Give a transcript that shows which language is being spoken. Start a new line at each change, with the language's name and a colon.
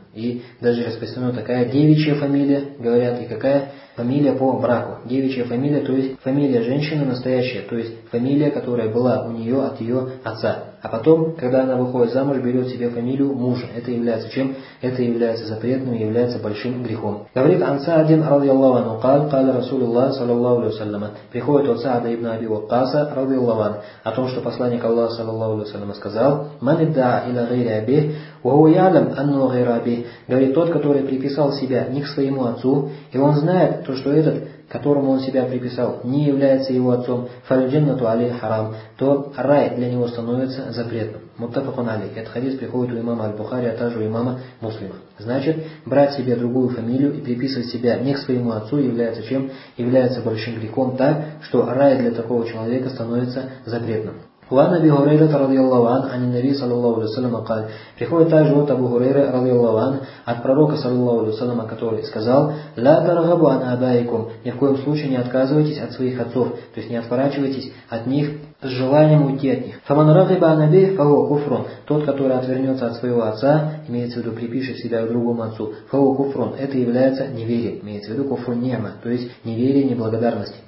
Russian: И даже распространена такая девичья фамилия, говорят, и какая фамилия по браку. Девичья фамилия, то есть фамилия женщины настоящая, то есть фамилия, которая была у нее от ее отца. А потом, когда она выходит замуж, берет себе фамилию мужа. Это является чем? Это является запретным, является большим грехом. Говорит Анса один радиаллаху анху,
Arabic: قال رسول الله صلى الله عليه وسلم.
Russian: Приходит от Саада ибн Аби Ваккаса радиаллаху анху о том, что посланник Аллаха
Arabic: صلى الله عليه وسلم
Russian: сказал:
Arabic: "Ман иддаа иля гайри абихи, ва хуа яълам анна гайра абихи".
Russian: Говорит тот, который приписал себя не к своему отцу, и он знает то, что этот, которому он себя приписал, не является его отцом,
Arabic: фальджаннату алейхи харам,
Russian: то рай для него становится запретным.
Arabic: Муттафакун алейхи.
Russian: Этот хадис приходит у имама Аль-Бухари, а также у имама Муслима. Значит, брать себе другую фамилию и приписывать себя не к своему отцу является чем? Является большим грехом, так, что рай для такого человека становится запретным.
Arabic: وعن أبي هريرة رضي الله عنه عن النبي صلى الله عليه وسلم قال
Russian: приходит также от Абу Хурейры
Arabic: رضي الله عنه
Russian: от пророка
Arabic: صلى الله عليه وسلم
Russian: который сказал
Arabic: لا ترغبوا عن آبائكم
Russian: ни в коем случае не отказывайтесь от своих отцов, то есть не отворачивайтесь от них с желанием уйти от них.
Arabic: فمن رغب عن أبيه فهو كفر,
Russian: тот, который отвернется от своего отца, имеется в виду припишет себя другому отцу,
Arabic: فهو كفر,
Russian: это является неверием, имеется в виду
Arabic: куфру нема,
Russian: то есть неверие, неблагодарность.